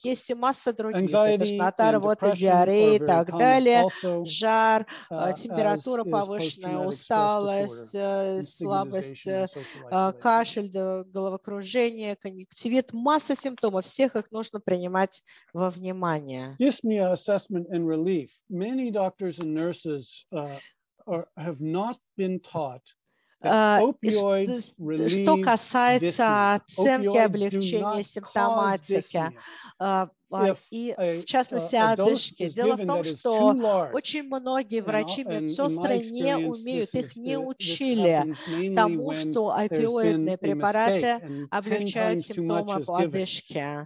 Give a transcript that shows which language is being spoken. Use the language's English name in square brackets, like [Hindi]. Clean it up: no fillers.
[Russian] Есть и масса других. Тошнота, рвота, диарея и так далее. Жар, температура повышенная, усталость, слабость, кашель, головокружение, конъюнктивит. Масса симптомов. Всех их нужно принимать во внимание. [English] Dyspnea assessment and relief. Many doctors and nurses have not been taught. [Russian] Что касается оценки облегчения симптоматики и, в частности, одышки. Дело в том, что очень многие врачи, медсестры не умеют, их не учили тому, что опиоидные препараты облегчают симптомы одышки.